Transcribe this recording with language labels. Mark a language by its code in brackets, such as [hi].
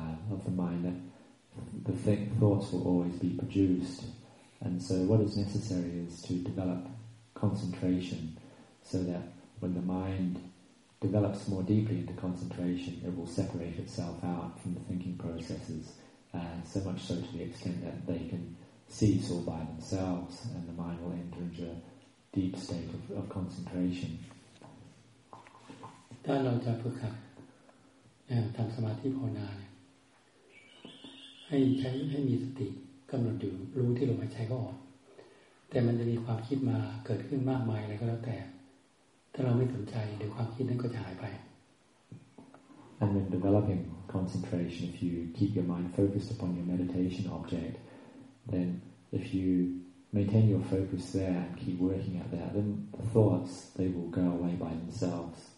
[en] of the mind that the thoughts will always be produced and so what is necessary is to develop concentration so thatWhen the mind develops more deeply into concentration, it will separate itself out from the thinking processes, so much so to the extent that they can cease all by themselves, and the mind will enter into a deep state of concentration. [th] ถ้าเราจะฝึกหัดทำสมาธิภาวนาให้มีสติกำหนดอยู่รู้ที่ลมหายใจก็ออกแต่มันจะมีความคิดมาเกิดขึ้นมากมายอะไรก็แล้วแต่ถ้าเราไม่สนใจเดี๋ยวความคิดนั้นก็จะหายไป [en] And when developing concentration, if you keep your mind focused upon your meditation object, then if you maintain your focus there and keep working at that, then the thoughts, they will go away by themselves.